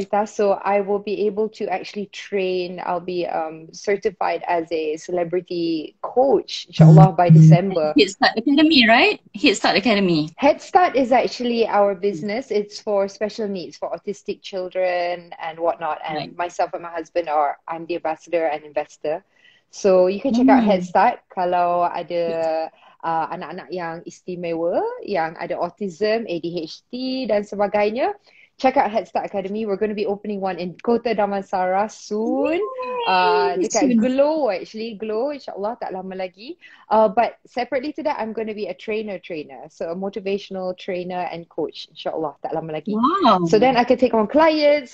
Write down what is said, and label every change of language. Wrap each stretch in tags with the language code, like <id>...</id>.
<en>Rita, so I will be able to actually train. I'll be certified as a celebrity coach, inshallah, by December. Head Start Academy, right? Head Start Academy. Head Start is actually our business. It's for special needs for autistic children and whatnot. And Right. myself and my husband are, I'm the ambassador and investor. So you can check out Head Start</en> <ms>kalau ada anak-anak yang istimewa, yang ada autism, ADHD dan sebagainya.</ms> <en>Check out Head Start Academy. We're going to be opening one in Kota Damansara soon.</en> <ms>Dekat</ms> <en>Soon.</en> <ms>Glow,</ms> <en>actually.</en> <ms>Glow, insyaAllah, tak lama lagi.</ms> <en>But separately to that, I'm going to be a trainer. So a motivational trainer and coach, insyaAllah,</en> <ms>tak lama lagi.</ms> <en>So then I can take on clients.</en>